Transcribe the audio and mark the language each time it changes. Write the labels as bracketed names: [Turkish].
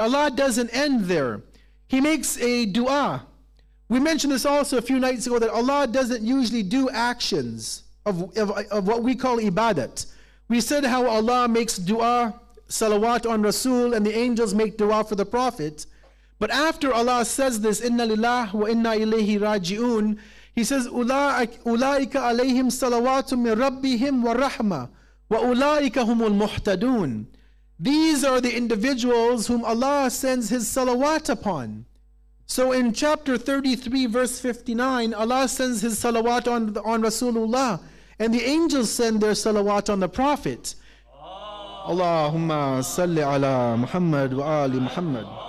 [English] But Allah doesn't end there. He makes a dua. We mentioned this also a few nights ago, that Allah doesn't usually do actions of what we call ibadat. We said how Allah makes dua, salawat on Rasul, and the angels make dua for the Prophet. But after Allah says this, [Arabic] إِنَّا لِلَّهِ وَإِنَّا إِلَيْهِ رَاجِعُونَ, [English] He says, [Arabic] أُولَٰئِكَ عَلَيْهِمْ صَلَوَاتٌ مِّن رَبِّهِمْ وَرَحْمَةٌ وَأُولَٰئِكَ هُمُ الْمُحْتَدُونَ. [English] These are the individuals whom Allah sends His salawat upon. So in chapter 33, verse 59, Allah sends His salawat on Rasulullah, and the angels send their salawat on the Prophet. Allahumma salli ala Muhammad wa ali Muhammad.